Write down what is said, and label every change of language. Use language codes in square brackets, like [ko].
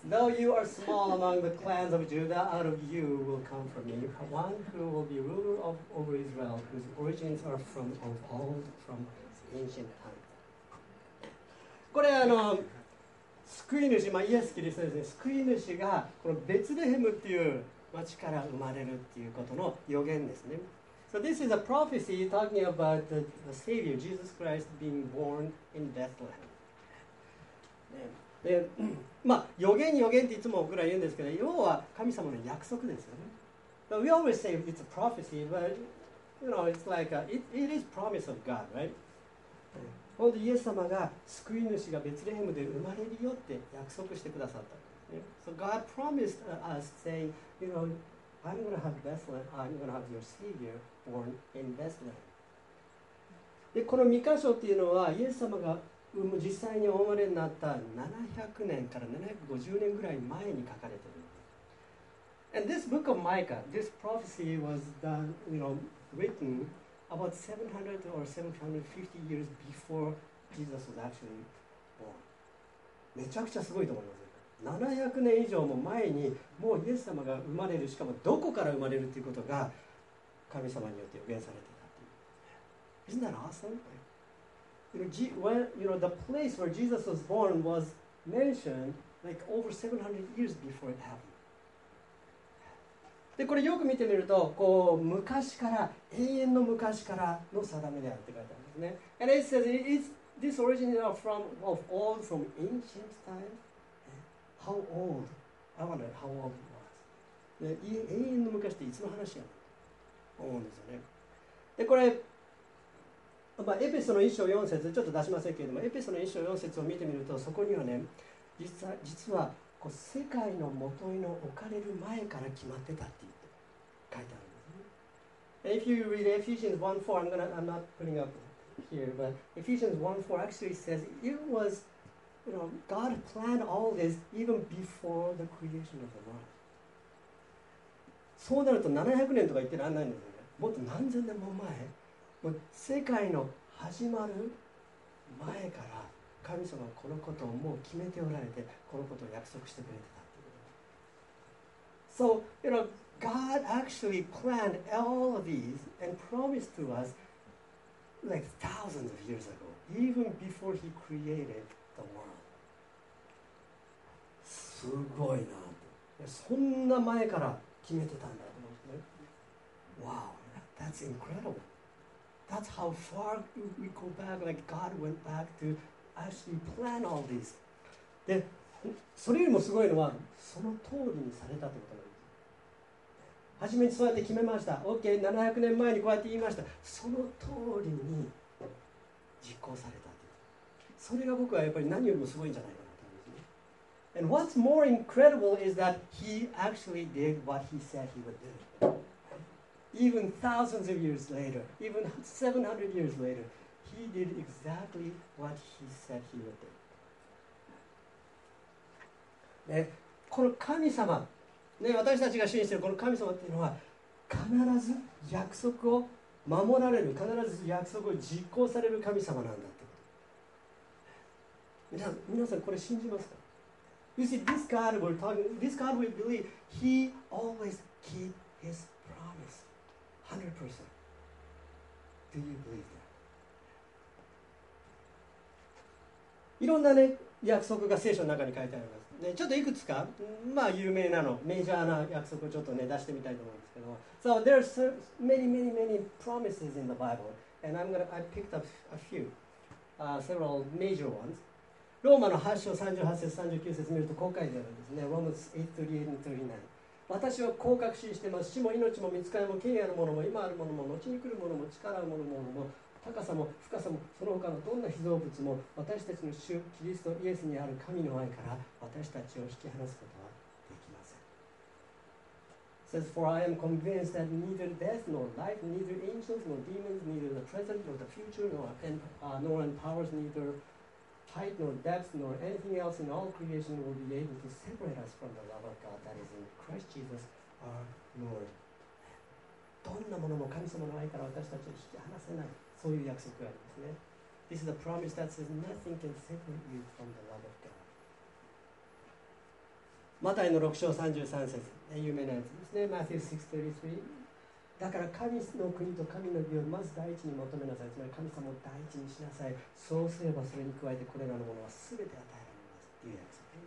[en] Though you are small among the clans of Judah, out of you will come for me one who will be ruler of over Israel, whose origins are from of old, from ancient times. [ja] これあの救い主、まあ、イエス・キリストですね。救い主がこのベツレヘムっていう町から生まれるっていうことの予言ですね。 [en] So this is a prophecy talking about the Savior, Jesus Christ, being born in Bethlehem. [ja] で、まあ、予言っていつも僕ら言うんですけど、要は神様の約束ですよね。 [en] But we always say it's a prophecy, but you know, it's like a, it is promise of God, right? [ja] 本当にイエス様が救い主がベツレヘムで生まれるよって約束してくださった。 [en] So God promised us saying, you know, I'm going to have Bethlehem, I'm going to have your Savior born in Bethlehem. [ja] で、この御箇所っていうのはイエス様が実際にお生まれになった700年から750年ぐらい前に書かれている。 [en] And this book of Micah, this prophecy was done, you know, written about 700 or 750 years before Jesus was actually born. [ja] めちゃくちゃすごいと思います。700年以上も前にもうイエス様が生まれる、しかもどこから生まれるということが神様によって予言されていたという。 [en] Isn't that awesome? You know, the place where Jesus was born was mentioned like over 700 years before it happened. [ja] でこれよく見てみるとこう昔から永遠の昔からの定めであるって書いてあるんですね。 [en] And it says it's this origin from of old from ancient time. How old? I wonder how old it was. [ja] 永遠の昔っていつの話やの？思うんですよね。でこれ、まあ、エペソの1章4節ちょっと出しませんけれども、エペソの1章4節を見てみるとそこにはね、実は世界のもといの置かれる前から決まってたって言って書いてあるんですね。 [en] If you read Ephesians 1:4, I'm not putting up here, but Ephesians 1:4 actually says it was, you know, God planned all this even before the creation of the world. [ja] そうなると700年とか言ってらんないんですよね。もっと何千年も前、もう世界の始まる前から神様はこのことをもう決めておられて、このことを約束してくれてたっていうこと。 [en] So, you know, God actually planned all of these and promised to us like thousands of years ago, even before he created the world. [ja] すごいな。そんな前から決めてたんだと思って。 [en] Wow, that's incredible. That's how far we go back, like God went back to actually plan all this. [ja] で、それよりもすごいのは、その通りにされたということなんです。はじめにそうやって決めました。OK、700年前にこうやって言いました。その通りに実行されたという。それが僕はやっぱり何よりもすごいんじゃないかな。 [en] And what's more incredible is that he actually did what he said he would do. Even thousands of years later, even 700 years later, he did exactly what he said he would do. [ja] ね、この神様、ね、私たちが信じているこの神様っていうのは必ず約束を守られる、必ず約束を実行される神様なんだってこと。皆さんこれ信じますか？ [en] You see, this God we're talking, this God we believe, He always keep His promise, 100%. Do you believe that? [ja] いろんなね約束が聖書の中に書いてあります。ね、ちょっといくつか、まあ有名なの、メジャーな約束をちょっとね出してみたいと思うんですけど、 [en] So there are so many, many, many promises in the Bible, and I picked up a few, several major ones. [ja] ローマの8章38節39節見るとこう書いてあるんですね。 [en] Romans 8:38-39。 [ja] 私は降格心してます。死も命も見つかりも権威あるものも今あるものも後に来るものも力あるものも高さも深さもその他のどんな被造物も私たちの主キリストイエスにある神の愛から私たちを引き離すことはできません。 [en] Says, for I am convinced that neither death nor life, neither angels nor demons, neither the present nor the future, nor and powers, neither... height nor depth nor anything else in all creation will be able to separate us from the love of God that is in Christ Jesus our Lord. [ja] どんなものも神様の愛から私たちを引き離せない、そういう約束がありますね。 [en] This is a promise that says nothing can separate you from the love of God. [ja] マタイの6章33節、有名なやつですね。 [en] Matthew 6:33。 [ja] だから神の国と神の義をまず第一に求めなさい、つまり神様を第一にしなさい、そうすればそれに加えてこれらのものはすべて与えられますっていうやつ。